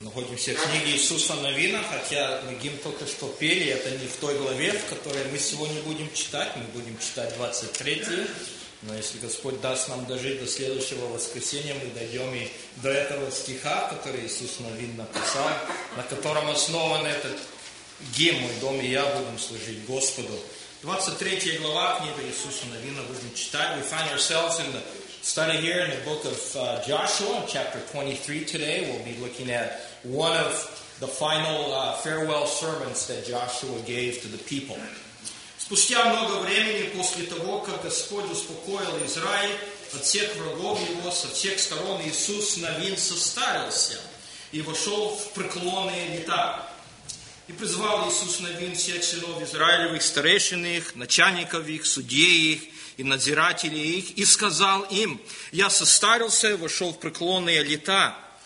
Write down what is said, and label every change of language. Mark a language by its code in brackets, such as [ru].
[ru] находимся в книге Иисуса Навина, хотя мы гимн только что пели, это не в той главе, в которой мы сегодня будем читать, мы будем читать 23-ю, но если Господь даст нам дожить до следующего воскресенья, мы дойдем и до этого стиха, который Иисус Навин написал, на котором основан этот гимн «Мой дом и я будем служить Господу». 23-я глава книги Иисуса Навина будем читать. [en] We find ourselves in the study here in the book of Joshua, chapter 23 today. We'll be looking at one of the final farewell sermons that Joshua gave to the people. [ru] Спустя много времени после того, как Господь успокоил Израиль от всех врагов его, со всех сторон, Иисус Навин состарился и вошел в преклонные лета. И призвал Иисус Навин всех сынов Израилевых, старейшин их, начальников их, судей их и надзирателей их, и сказал им: «Я состарился и вошел в преклонные лета.